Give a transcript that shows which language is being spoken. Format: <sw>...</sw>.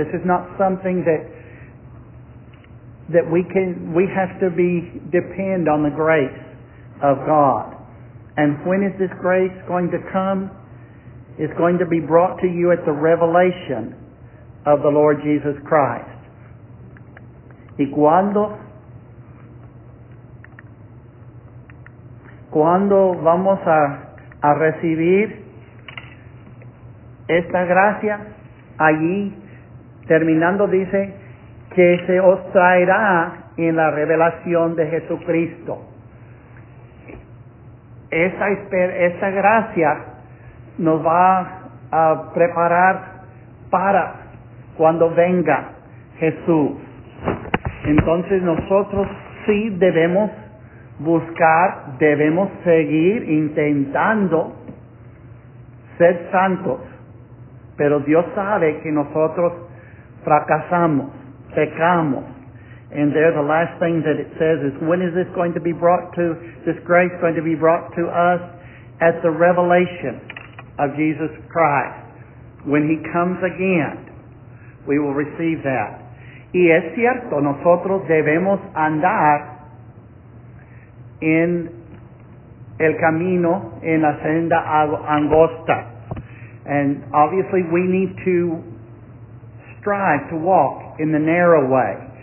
<en>This is not something that we have to depend on the grace of God. And when is this grace going to come? Is going to be brought to you at the revelation of the Lord Jesus Christ.</en> <es>Y cuando vamos a recibir esta gracia, allí terminando dice que se os traerá en la revelación de Jesucristo. Esa gracia nos va a preparar para cuando venga Jesús. Entonces nosotros sí debemos buscar, debemos seguir intentando ser santos, pero Dios sabe que nosotros fracasamos, pecamos.</es> <en>And there the last thing that it says is, when is this going to be brought to, this grace going to be brought to us? At the revelation of Jesus Christ. When he comes again, we will receive that.</en> <es>Y es cierto, nosotros debemos andar en el camino, en la senda angosta.</es> <en>And obviously we need to strive to walk in the narrow way.</en>